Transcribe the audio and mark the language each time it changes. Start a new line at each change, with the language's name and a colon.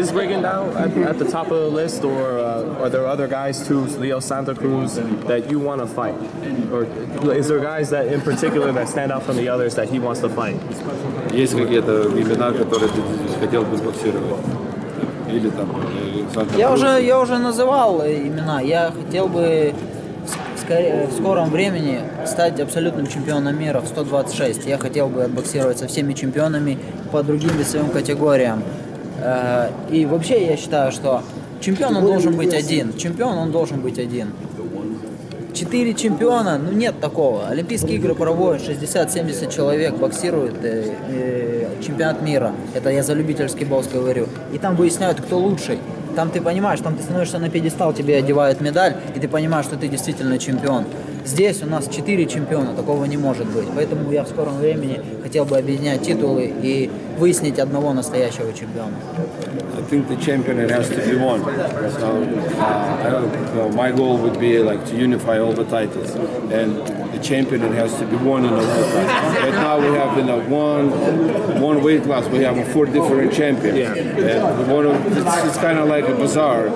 English: Is Rigondeaux at the top of the list, or are there other guys too, Leo Santa Cruz, that you want to fight? Or is there guys that in particular that stand out from the others that he wants to fight?
Russian: Есть какие-то имена, которые ты хотел бы боксировать? Или там Санта-Круз? Я уже называл имена. Я хотел бы в скором времени стать абсолютным чемпионом мира в 126. Я хотел бы отбоксировать со всеми чемпионами по другим весовым категориям. И вообще я считаю, что чемпион он должен быть один. Чемпион он должен быть один. Четыре чемпиона, ну нет такого. Олимпийские игры проводят 60-70 человек, боксируют чемпионат мира. Это я за любительский бокс говорю. И там выясняют, кто лучший. Там ты понимаешь, там ты становишься на пьедестал, тебе одевают медаль, и ты понимаешь, что ты действительно чемпион. Здесь у нас четыре чемпиона, такого не может быть. Поэтому я в скором времени хотел бы объединять титулы и выяснить одного настоящего чемпиона.
English: I think the champion has to be one. So, my goal would be like to unify all the titles. And the champion has to be one in all the titles. But now we have in one weight class, we have four different champions. Yeah. And it's kind of like a bazaar.